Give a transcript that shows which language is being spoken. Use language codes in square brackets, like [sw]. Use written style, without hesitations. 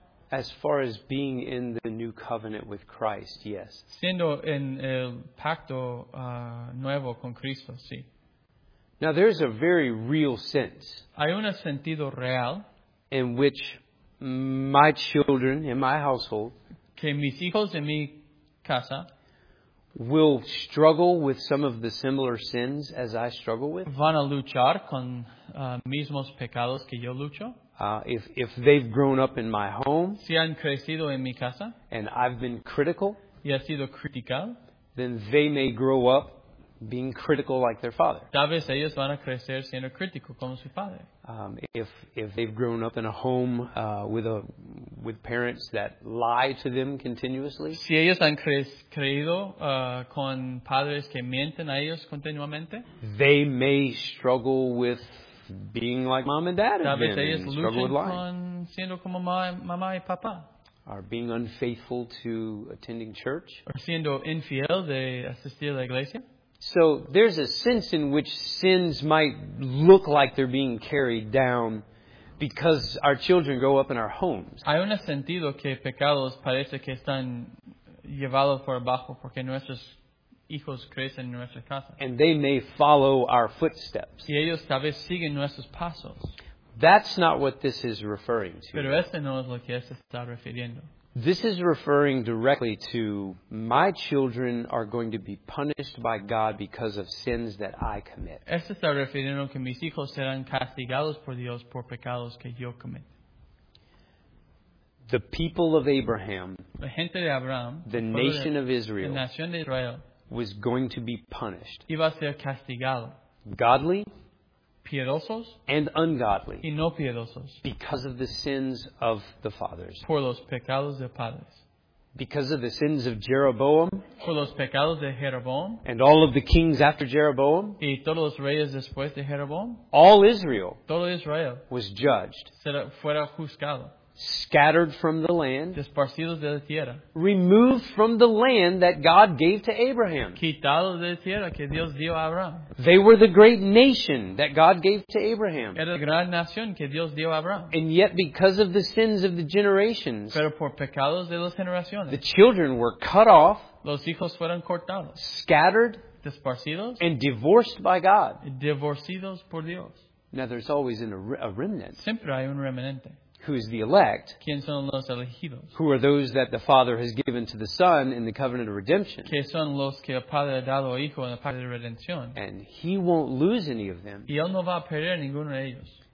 [en] As far as being in the new covenant with Christ, yes. [es] Siendo en el pacto nuevo con Cristo, sí. [en] Now there's a very real sense. [es] Hay un sentido real. [en] In which my children in my household. [es] Que mis hijos en mi casa. [en] Will struggle with some of the similar sins as I struggle with. [es] Van a luchar con mismos pecados que yo lucho. [en] If they've grown up in my home, [es] si han crecido en mi casa, [en] and I've been critical, [es] y ha sido critical, [en] then they may grow up being critical like their father. [es] Tal vez ellos van a crecer siendo críticos como su padre. [en] If they've grown up in a home with parents that lie to them continuously, [es] si ellos han creído con padres que mienten a ellos continuamente, [en] they may struggle with being like mom and dad again, [es] siendo como mamá y papá. [en] Or being unfaithful to attending church. Or [es] siendo infiel de asistir a la iglesia. [en] So there's a sense in which sins might look like they're being carried down because our children grow up in our homes. [es] Hay un sentido que pecados parece que están llevados por abajo porque nuestros hijos crecen en nuestra casa. [en] And they may follow our footsteps. [es] Y ellos tal vez siguen nuestros pasos. [en] That's not what this is referring to. [es] Pero este no es lo que este está refiriendo. [en] This is referring directly to my children are going to be punished by God because of sins that I commit. [es] Este está refiriendo que mis hijos serán castigados por Dios por pecados que yo cometo. [en] The people of Abraham, [es] la gente de Abraham, [en] the nation of Israel, [es] la nación de Israel, [en] was going to be punished. [es] Iba a ser castigado. [en] Godly, [es] piedosos, [en] and ungodly, [es] y no piedosos, [en] because of the sins of the fathers. [es] Por los pecados de padres. [en] Because of the sins of Jeroboam, [es] por los pecados de Jeroboam, [en] and all of the kings after Jeroboam, [es] y todos los reyes después de Jeroboam, [en] all Israel, [es] todo Israel, [en] was judged. [es] Será fuera juzgado. [en] Scattered from the land. [es] Desparcidos de la tierra. [en] Removed from the land that God gave to Abraham. [es] Quitados de la tierra que Dios dio a Abraham. [en] They were the great nation that God gave to Abraham. [es] Era la gran nación que Dios dio a Abraham. [en] And yet because of the sins of the generations. [es] Pero por pecados de las generaciones. [en] The children were cut off. [es] Los hijos fueron cortados. [en] Scattered. [es] Desparcidos. [en] And divorced by God. [es] Divorcidos por Dios. [en] Now there's always a remnant. [es] Siempre hay un remanente. [en] Who is the elect? [es] ¿Quién son los elegidos? [en] Who are those that the Father has given to the Son in the covenant of redemption? [es] ¿Qué son los que el Padre ha dado al Hijo en el pacto de redención? [en] And he won't lose any of them. [es] Y él no va a perder ninguno de ellos.